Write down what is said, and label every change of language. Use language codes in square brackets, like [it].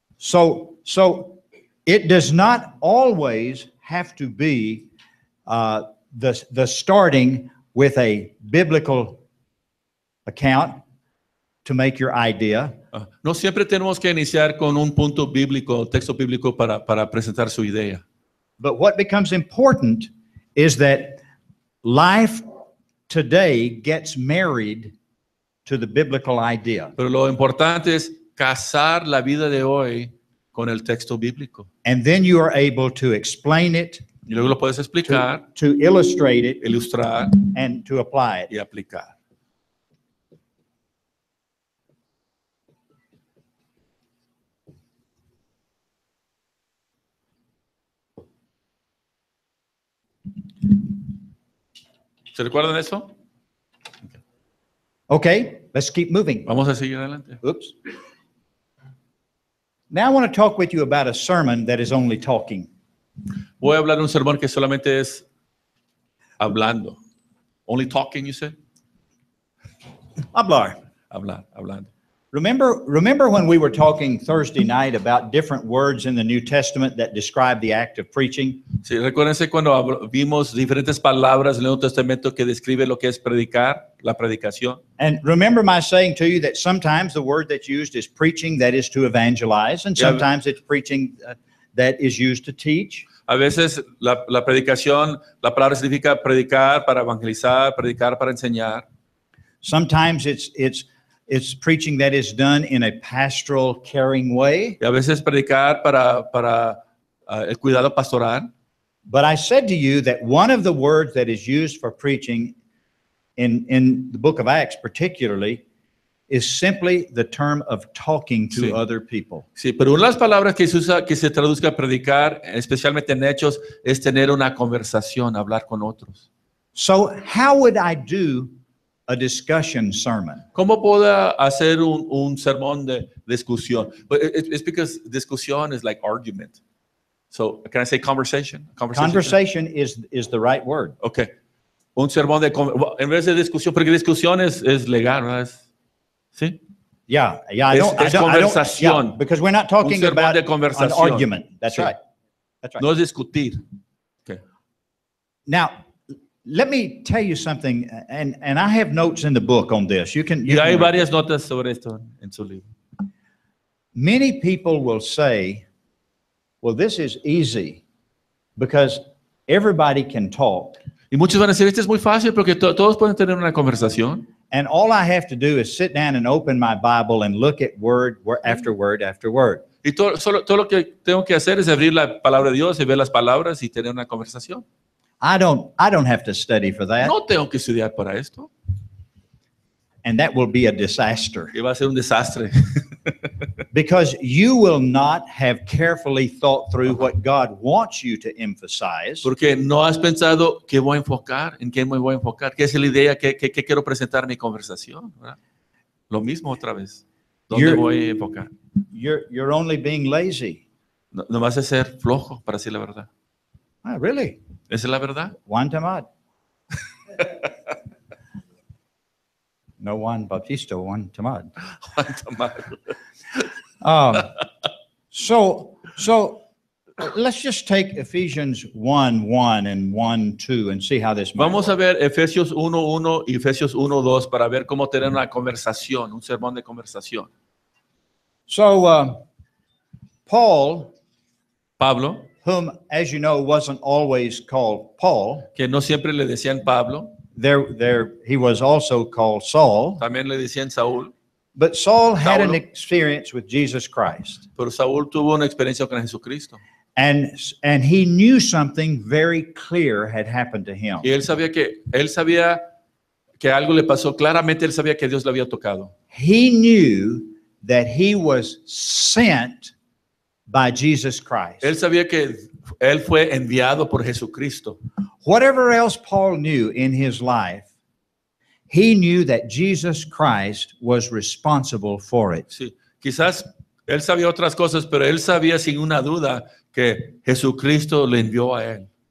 [en] So it does not always have to be the starting with a biblical account to make your idea. [es] No siempre tenemos que iniciar con un punto bíblico, texto bíblico para presentar su idea. [en] But what becomes important is that life today gets married to the biblical idea. [es] Pero lo importante es casar la vida de hoy con el texto bíblico. [en] And then you are able to explain it. [es] Y luego lo puedes explicar. [en] To illustrate it. [es] Ilustrar. [en] And to apply it. [es] Y aplicar. ¿Se recuerdan eso? [en] Okay, let's keep moving. [es] Vamos a seguir adelante. [en] Oops. Now I want to talk with you about a sermon that is only talking. [es] Voy a hablar de un sermón que solamente es hablando. [en] Only talking, you say? [es] Hablar. Hablar, hablando. [en] Remember when we were talking Thursday night about different words in the New Testament that describe the act of preaching? [es] Sí, recuérdense cuando vimos diferentes palabras en el Nuevo Testamento que describe lo que es predicar, la predicación. [en] And remember my saying to you that sometimes the word that's used is preaching, that is to evangelize, and sometimes it's preaching that is used to teach. [es] A veces la predicación, la palabra significa predicar para evangelizar, predicar para enseñar. [en] Sometimes it's preaching that is done in a pastoral, caring way. [es] Y a veces predicar para el cuidado pastoral. [en] But I said to you that one of the words that is used for preaching in the book of Acts particularly is simply the term of talking to sí. Other people. [es] Sí, pero una de las palabras que se usa, que se traduzca a predicar, especialmente en Hechos, es tener una conversación, hablar con otros. [en] So how would I do a discussion sermon. [es] ¿Cómo puedo hacer un sermón de discusión? [en] But it's because discusión is like argument. So can I say conversation? Conversation is the right word. Okay. [es] Un sermón de en vez de discusión, porque discusión es legal, ¿verdad? Es, ¿sí? [en] Yeah, I don't, because we're not talking about an argument. That's sí. Right. That's [es] right. No es discutir. [en] Okay. Now, let me tell you something, and I have notes in the book on this. [es] Hay varias notas sobre esto en su libro. [en] Many people will say, well, this is easy because everybody can talk. [es] Y muchos van a decir, este es muy fácil porque todos pueden tener una conversación. [en] And all I have to do is sit down and open my Bible and look at word after word after word. [es] Y todo lo que tengo que hacer es abrir la palabra de Dios y ver las palabras y tener una conversación. [en] I don't have to study for that. [es] No tengo que estudiar para esto. [en] And that will be a disaster. [es] Y va a ser un desastre. [en] Because you will not have carefully thought through what God wants you to emphasize. [es] Porque no has pensado qué voy a enfocar, en qué me voy a enfocar, qué es la idea, qué quiero presentar en mi conversación. ¿Verdad? Lo mismo otra vez. ¿Dónde voy a enfocar? [en] You're only being lazy. [es] No vas a ser flojo, para decir la verdad. [en] Ah, really? [es] ¿Esa es la verdad? Juan Tamad. No Juan Bautista, Juan Tamad. Juan Tamad. [en] So let's just take Ephesians 1:1 and 1:2 and see how this. [es] Vamos a ver Efesios 1:1 y Efesios 1:2 para ver cómo tener una conversación, un sermón de conversación. [en] So Paul, [es] Pablo, [en] whom as you know wasn't always called Paul, [es] que no siempre le decían Pablo. [en] There he was also called Saul. [es] También le decían Saúl. [en] But Saul had an experience with Jesus Christ. [es] Pero Saúl tuvo una experiencia con Jesucristo. [en] And he knew something very clear had happened to him. [es] Y él sabía que algo le pasó. Claramente él sabía que Dios le había tocado. [en] He knew that he was sent by Jesus Christ. [es] Él sabía que él fue enviado por Jesucristo. [en] Whatever else Paul knew in his life, he knew that Jesus Christ was responsible for it. [es] Sí, quizás él sabía otras cosas, pero él sabía sin una duda que Jesucristo le envió a él.